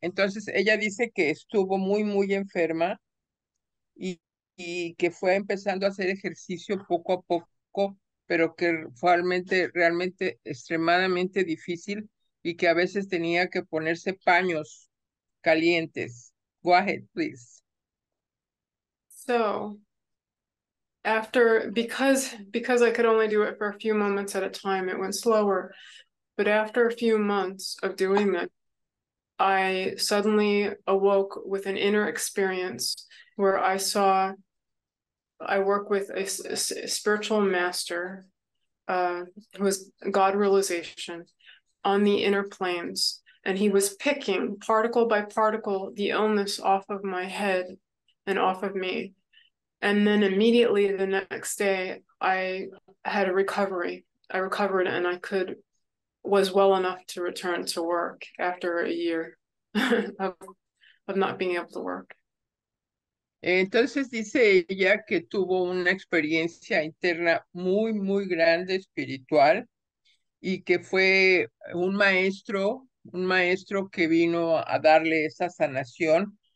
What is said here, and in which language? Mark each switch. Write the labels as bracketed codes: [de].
[es] Entonces ella dice que estuvo muy, muy enferma y que fue empezando a hacer ejercicio poco a poco, pero que fue realmente extremadamente difícil y que a veces tenía que ponerse paños calientes. [en] Go ahead, please. So, after, because I could only do it for a few moments at a time, it went slower. But after a few months of doing that, I suddenly awoke with an inner experience where I saw, I work with a spiritual master, who is God realization, on the inner planes. And he was picking, particle by particle, the illness off of my head and off of me. And then immediately the next day, I had a recovery. I recovered and I could, was well enough to return to work after a year of not being able to work. [es] Entonces dice ella que tuvo una experiencia interna muy, muy grande espiritual y que fue un maestro que vino a darle esa sanación.